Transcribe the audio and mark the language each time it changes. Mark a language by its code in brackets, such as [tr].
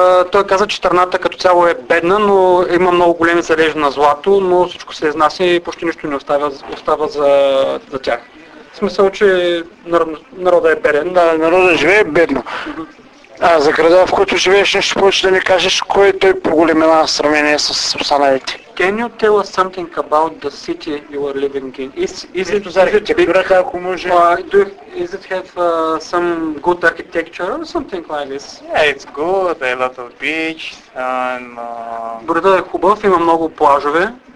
[bg] Той каза, че страната като цяло е бедна, но има много големи залежи на злато, но всичко се изнася и почти нищо не остава за тях. В смисъл, че народа е беден. Да, народа живее бедно. Mm-hmm. За града, в който живееш, нещо повече да ни кажеш, кой е той по големина в сравнение с останалите. [en] Can you tell us something about the city you are living in? Is it have some good architecture or something like this? Yeah, it's good, a lot of beach and [bg] града е хубав, има много плажове.